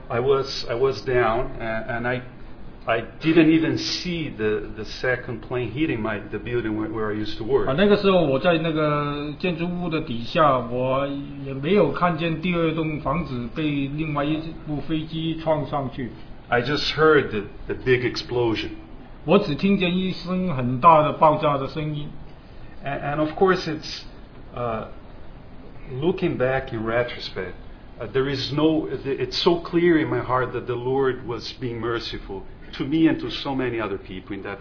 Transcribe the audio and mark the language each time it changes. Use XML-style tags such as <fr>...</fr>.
<en>I was down and I didn't even see the second plane hitting the building where I used to work.</en> <zh>那个时候我在那个建筑物的底下，我也没有看见第二栋房子被另外一部飞机撞上去。</zh> <en>I just heard the big explosion.</en> <zh>我只听见一声很大的爆炸的声音。</zh> <en>And of course it's looking back in retrospect, there is no, it's so clear in my heart that the Lord was being merciful to me and to so many other people in that</en>